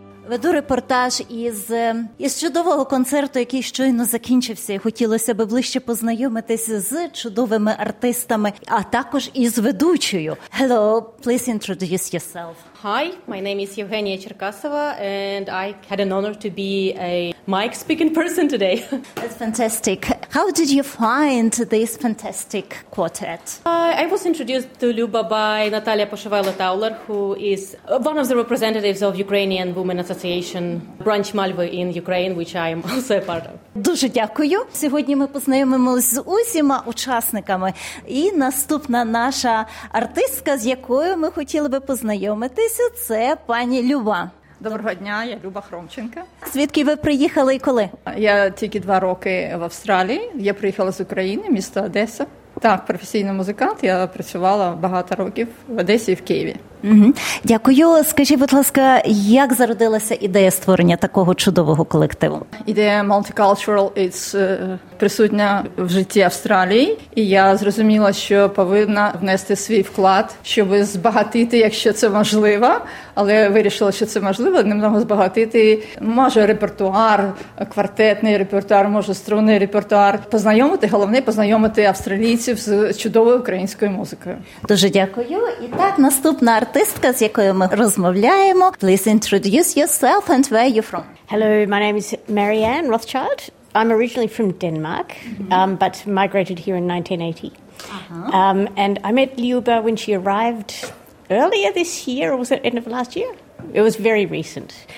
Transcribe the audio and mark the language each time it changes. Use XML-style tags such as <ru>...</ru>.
<uk>Веду репортаж із чудового концерту, який щойно закінчився. Хотілося би ближче познайомитися з чудовими артистами, а також із ведучою.</uk> <en>Hello, please introduce yourself. Hi, my name is Evgenia Cherkasova, and I had an honor to be a mic speaking person today. That's fantastic. How did you find this fantastic quartet? I was introduced to Luba by Natalia Poshevala-Tauler, who is one of the representatives of Ukrainian Women Association branch Malvy in Ukraine, which I am also a part of.</en> <uk>Дуже дякую. Сьогодні ми познайомимося з усіма учасниками. І наступна наша артистка, з якою ми хотіли би познайомитися, це пані Люба. Доброго дня, я Люба Хромченка. Звідки ви приїхали і коли? Я тільки 2 роки в Австралії. Я приїхала з України, місто Одеса. Так, професійний музикант. Я працювала багато років в Одесі і в Києві. Дякую. Скажіть, будь ласка, як зародилася ідея створення такого чудового колективу? Ідея multicultural is присутня в житті Австралії. І я зрозуміла, що повинна внести свій вклад, щоб збагатити, якщо це можливо. Але я вирішила, що це можливо, немного збагатити. Може репертуар, квартетний репертуар, може струнний репертуар. Познайомити, головне, познайомити австралійців з чудовою українською музикою. Дуже дякую. І так, наступна артистка, з якою ми розмовляємо.</uk> <en>Please introduce yourself and where you from. Hello, my name is Marianne Rothschild. I'm originally from Denmark, but migrated here in 1980. And I met Liuba when she arrived earlier this year, or was it end of last year? It was very recent.</en>